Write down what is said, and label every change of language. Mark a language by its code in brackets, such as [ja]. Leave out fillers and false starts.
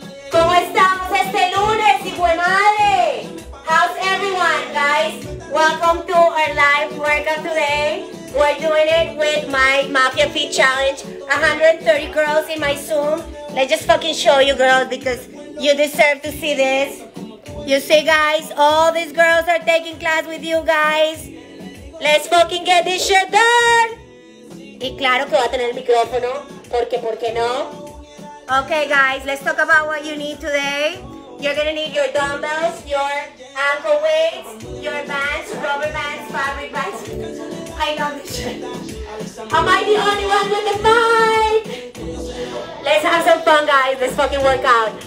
[es] ¿Cómo estamos este lunes, hue madre? [en] How's everyone, guys? Welcome to our live workout today. We're doing it with my Mafia Feet Challenge. 130 girls in my Zoom. Let's just fucking show you, girls, because you deserve to see this. You see, guys, all these girls are taking class with you, guys. Let's fucking get this shit done. [es] Y claro que va a tener el micrófono, porque, ¿por qué no? [en] Okay, guys, let's talk about what you need today. You're gonna need your dumbbells, your ankle weights, your bands, rubber bands, fabric bands. I love this shit. Am I the only one with the mic? Let's have some fun, guys. Let's fucking work out.